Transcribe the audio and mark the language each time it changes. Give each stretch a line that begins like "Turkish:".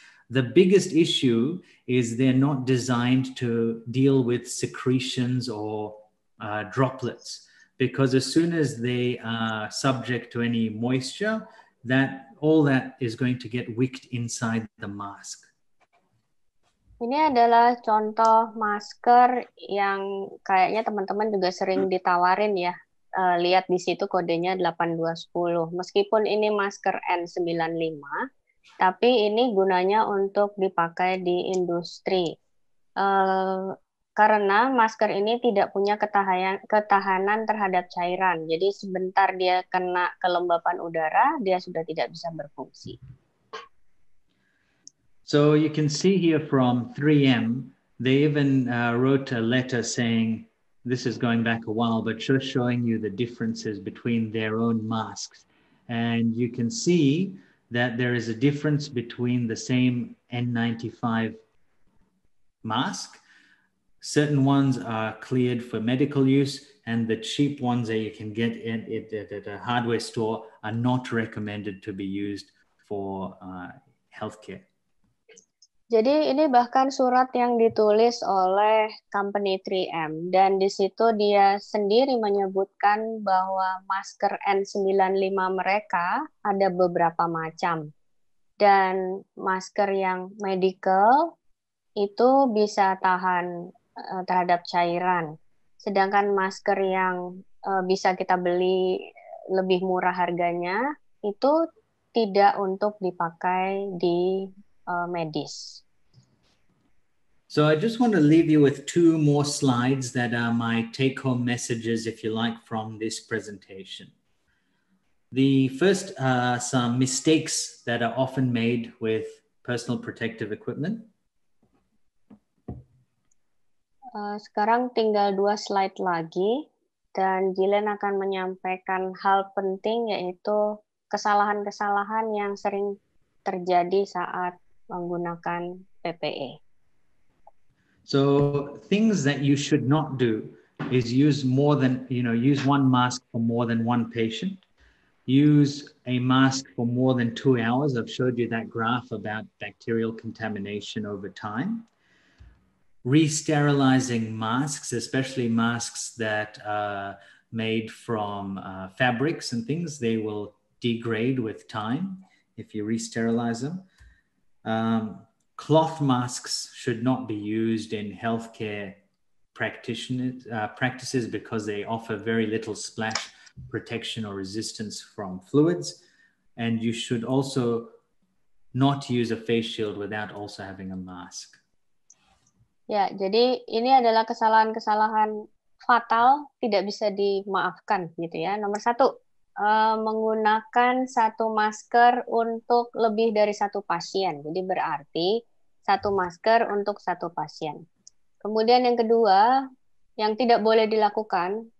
English: The biggest issue is they're not designed to deal with secretions or droplets, because as soon as they are subject to any moisture, that all that is going to get wicked inside the mask.
Indonesian: Ini adalah contoh masker yang kayaknya teman-teman juga sering ditawarin ya. Lihat di situ kodenya 8210. Meskipun ini masker N95, tapi ini gunanya untuk dipakai di industri. Karena masker ini tidak punya ketahanan terhadap cairan. Jadi sebentar dia kena kelembapan udara, dia sudah tidak bisa berfungsi.
English: So you can see here from 3M, they even wrote a letter saying, this is going back a while, but just showing you the differences between their own masks. And you can see that there is a difference between the same N95 mask. Certain ones are cleared for medical use, and the cheap ones that you can get at a hardware store are not recommended to be used for healthcare.
Indonesian: Jadi ini bahkan surat yang ditulis oleh company 3M, dan di situ dia sendiri menyebutkan bahwa masker N95 mereka ada beberapa macam, dan masker yang medical itu bisa tahan terhadap cairan. Sedangkan masker yang bisa kita beli lebih murah harganya itu tidak untuk dipakai di medis.
English: So I just want to leave you with two more slides that are my take home messages, if you like, from this presentation. The first are some mistakes that are often made with personal protective equipment.
Indonesian: Sekarang tinggal dua slide lagi, dan Jilen akan menyampaikan hal penting, yaitu kesalahan-kesalahan yang sering terjadi saat menggunakan PPE.
English: So things that you should not do is use more than, you know, use one mask for more than one patient. Use a mask for more than 2 hours. I've showed you that graph about bacterial contamination over time. Re-sterilizing masks, especially masks that are made from fabrics and things, they will degrade with time if you re-sterilize them. Cloth masks should not be used in healthcare practices because they offer very little splash protection or resistance from fluids. And you should also not use a face shield without also having a mask.
Indonesian: Ya, jadi ini adalah kesalahan-kesalahan fatal, tidak bisa dimaafkan, gitu ya. Nomor satu, menggunakan satu masker untuk lebih dari satu pasien. Jadi berarti satu masker untuk satu pasien. Kemudian yang kedua, yang tidak boleh dilakukan,